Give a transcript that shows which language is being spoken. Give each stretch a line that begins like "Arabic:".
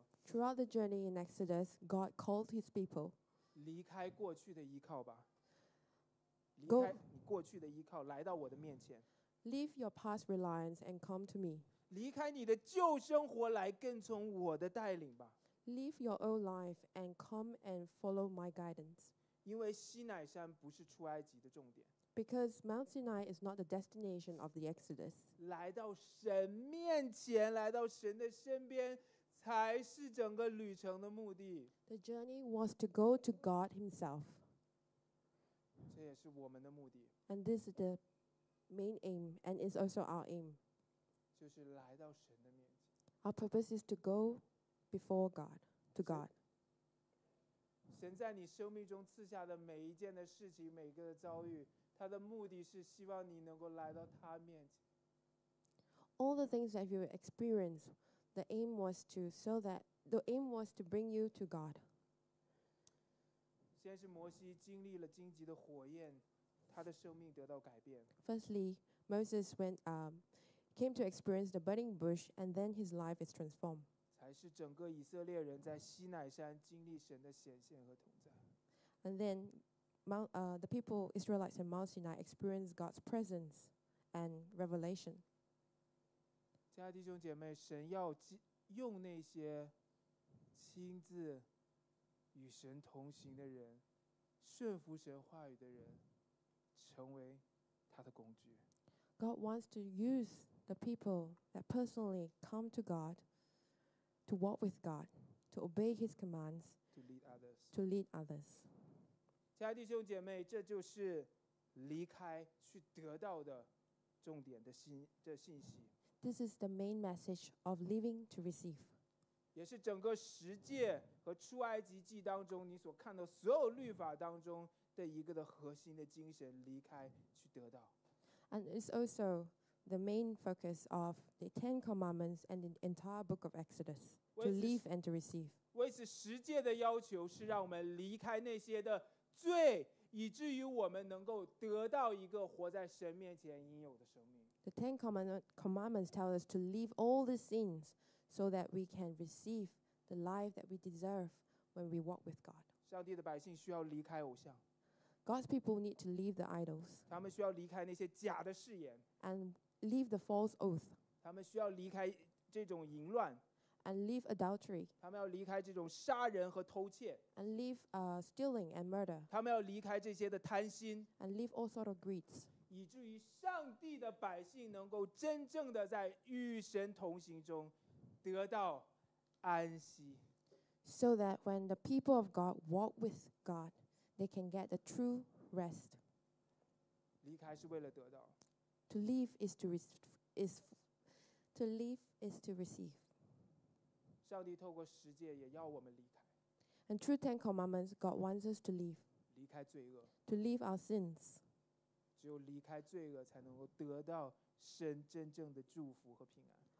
English: Throughout the journey in Exodus, God called his people.
Chinese: 离开过去的依靠吧，离开你过去的依靠，来到我的面前。
English: Leave your past reliance and come to me.
Chinese: 离开你的旧生活，来跟从我的带领吧。
English: Leave your old life and come and follow my guidance.
Chinese: 因为西乃山不是出埃及的重点。
English: Because Mount Sinai is not the destination of the Exodus.
Chinese: 来到神面前，来到神的身边。才是整个旅程的目的。
English: The journey was to go to God Himself.
Chinese: 这也是我们的目的。
English: And this is the main aim, and is also our aim.
Chinese: 就是来到神的面前。
English: Our purpose is to go before God, to God.
Chinese: 神在你生命中赐下的每一件的事情，每个的遭遇，他的目的是希望你能够来到他面前。
English: All the things that you experience. The aim was to so that the aim was to bring you to God.
Chinese: 先是摩西经历了荆棘的火焰，他的生命得到改变。
English: Firstly, Moses went came to experience the burning bush, and then his life is transformed.
Chinese: 才是整个以色列人在西乃山经历神的显现和同在。
English: And then, the people Israelites in Mount Sinai experienced God's presence and revelation.
Chinese: 亲爱的弟兄姐妹，神要用那些亲自与神同行的人，顺服神话语的人，成为他的工具。
English: God wants to use the people that personally come to God to walk with God, to obey His commands, to lead others. To lead others.
Chinese: 亲爱的弟兄姐妹，这就是离开去得到的重点的信息。
English: This is the main message of living to receive.
Chinese: 也是整个十诫和出埃及记当中你所看到所有律法当中的一个的核心的精神，离开去得到。
English: And it's also the main focus of the Ten Commandments and the entire book of Exodus, to live and to receive.
Chinese: 为此，十诫的要求是让我们离开那些的罪。以至于我们能够得到一个活在神面前应有的生命。
English: The Ten Commandments tell us to leave all the sins so that we can receive the life that we deserve when we walk with God.
Chinese: 上帝的百姓需要离开偶像。
English: God's people need to leave the idols.
Chinese: 他们需要离开那些假的誓言。
English: And leave the false oath.
Chinese: 他们需要离开这种淫乱。
English: And leave adultery.
Chinese: 他们要离开这种杀人和偷窃。
English: And leave stealing and murder.
Chinese: 他们要离开这些的贪心。
English: And leave all sort of greed.
Chinese: 以至于上帝的百姓能够真正的在与神同行中得到安息。
English: So that when the people of God walk with God, they can get the true rest.
Chinese: 离开是为了得到。
English: To live is to receive.
Chinese: 上帝透过十诫也要我们离开。
English: And through Ten Commandments, God wants us to leave.
Chinese: 离开罪恶。
English: To leave our sins.
Chinese: 只有离开罪恶，才能够得到神真正的祝福和平安。